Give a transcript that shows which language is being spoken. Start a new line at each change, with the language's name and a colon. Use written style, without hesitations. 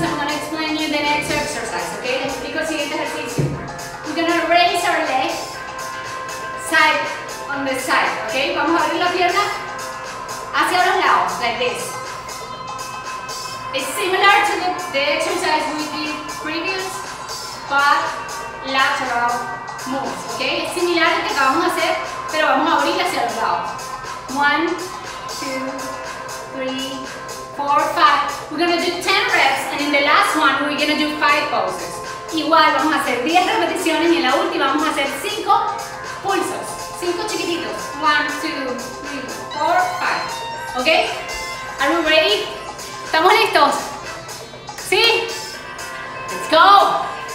English: I'm going to explain you the next exercise. ¿Ok?
Spanish: Les explico el siguiente ejercicio.
English: We're going to raise our leg side on the side. ¿Ok?
Spanish: Vamos a abrir la pierna hacia los lados.
English: Like this. It's similar to the exercise we did previous, but lateral moves. ¿Ok?
Spanish: Es similar al que acabamos de hacer, pero vamos a abrir hacia los lados. 1, 2, 3, 4, 5.
English: We're going to do 10 reps, and in the last one, we're going to do 5 pulses.
Spanish: Igual, vamos a hacer 10 repeticiones, y en la última vamos a hacer 5 pulsos. 5 chiquititos. 1, 2, 3, 4, 5. ¿Ok?
English: Are we ready?
Spanish: ¿Estamos listos? ¿Sí?
English: Let's go.